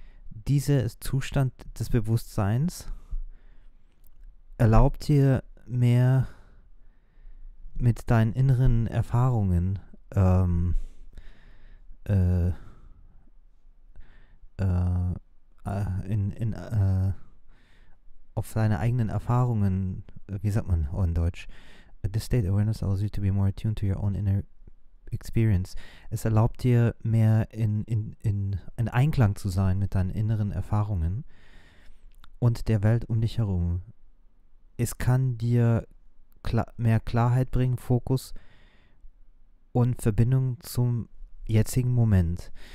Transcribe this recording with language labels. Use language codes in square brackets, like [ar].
[de] Dieser Zustand des Bewusstseins erlaubt dir mehr mit deinen inneren Erfahrungen auf seine eigenen Erfahrungen, wie sagt man in Deutsch? [en] The state awareness allows you to be more attuned to your own inner experience. [de] Es erlaubt dir mehr in Einklang zu sein mit deinen inneren Erfahrungen und der Welt um dich herum. Es kann dir mehr Klarheit bringen, Fokus und Verbindung zum jetzigen Moment.